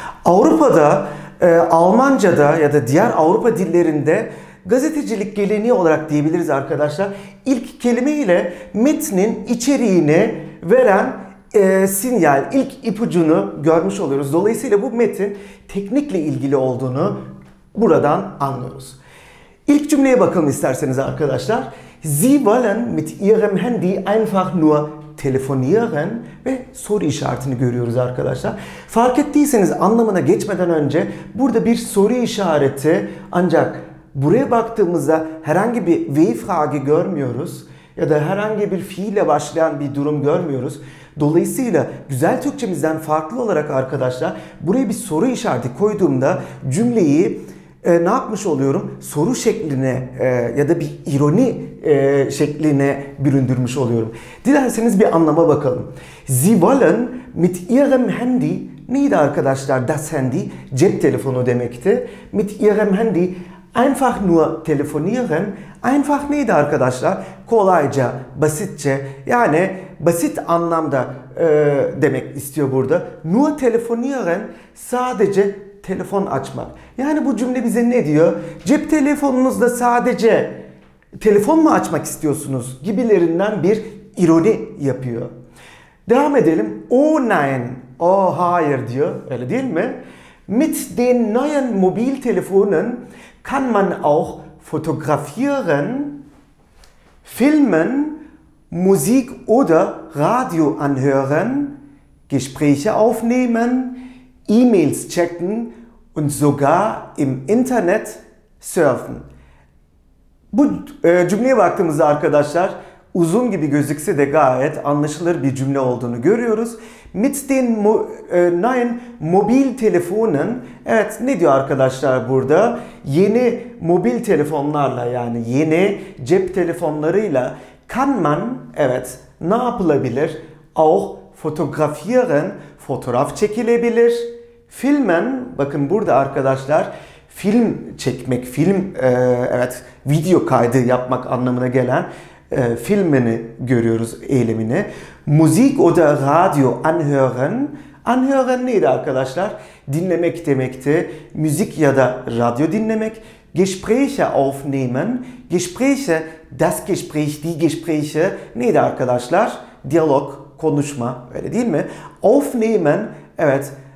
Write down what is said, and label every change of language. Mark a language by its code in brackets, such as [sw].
[tr] Avrupa'da, Almanca'da ya da diğer Avrupa dillerinde gazetecilik geleneği olarak diyebiliriz arkadaşlar. İlk kelimeyle metnin içeriğini veren sinyal, ilk ipucunu görmüş oluyoruz. Dolayısıyla bu metin teknikle ilgili olduğunu buradan anlıyoruz. İlk cümleye bakalım isterseniz arkadaşlar. [de] Sie wollen mit ihrem Handy einfach nur telefonieren [tr] ve soru işaretini görüyoruz arkadaşlar. Fark ettiyseniz anlamına geçmeden önce burada bir soru işareti, ancak buraya baktığımızda herhangi bir W-Frage görmüyoruz ya da herhangi bir fiille başlayan bir durum görmüyoruz. Dolayısıyla güzel Türkçemizden farklı olarak arkadaşlar, buraya bir soru işareti koyduğumda cümleyi ne yapmış oluyorum? Soru şekline ya da bir ironi şekline büründürmüş oluyorum. Dilerseniz bir anlama bakalım. [de] Sie wollen mit ihrem Handy, [tr] neydi arkadaşlar? [de] Das Handy, [tr] cep telefonu demekti. [de] Mit ihrem Handy einfach nur telefonieren. [tr] Einfach neydi arkadaşlar? Kolayca, basitçe, yani basit anlamda demek istiyor burada. [de] Nur telefonieren, [tr] sadece telefon açmak. Yani bu cümle bize ne diyor? Cep telefonunuzda sadece telefon mu açmak istiyorsunuz gibilerinden bir ironi yapıyor. Devam edelim. [de] Oh nein, [tr] oh hayır diyor. Öyle değil mi? [de] Mit den neuen Mobiltelefonen kann man auch fotografieren, filmen, Musik oder Radio anhören, Gespräche aufnehmen, E-Mails checken und sogar im Internet surfen. [tr] Bu cümleye baktığımızda arkadaşlar, uzun gibi gözükse de gayet anlaşılır bir cümle olduğunu görüyoruz. [de] Mit den neuen Mobiltelefonen, [tr] evet, ne diyor arkadaşlar burada? Yeni mobil telefonlarla, yani yeni cep telefonlarıyla [de] kann man, [tr] evet, ne yapılabilir? [de] Auch fotografieren, [tr] fotoğraf çekilebilir. Filmen, bakın burada arkadaşlar, film çekmek, film, evet, video kaydı yapmak anlamına gelen filmini görüyoruz, eylemini. [de] Musik oder Radio anhören. [tr] Anhören neydi arkadaşlar? Dinlemek demekti. Müzik ya da radyo dinlemek. [de] Gespräche aufnehmen. [tr] Gespräche, das Gespräch, die Gespräche neydi arkadaşlar? Diyalog, konuşma, öyle değil mi? Aufnehmen, evet.